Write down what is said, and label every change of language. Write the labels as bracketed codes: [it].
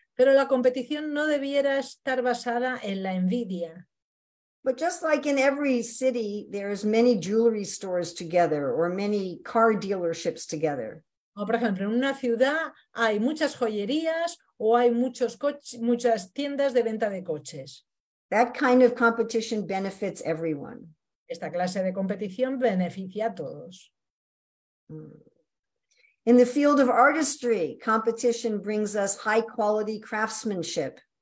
[es] Pero la competición no debiera estar basada en la envidia. [en] But just like in every city, there is many jewelry stores together or many car dealerships together. [es] O por ejemplo, en una ciudad hay muchas joyerías o hay muchas tiendas de venta de coches. [en] That kind of competition benefits everyone. [es] Esta clase de competición beneficia a todos. [en] In the field of artistry, competition brings us high quality craftsmanship.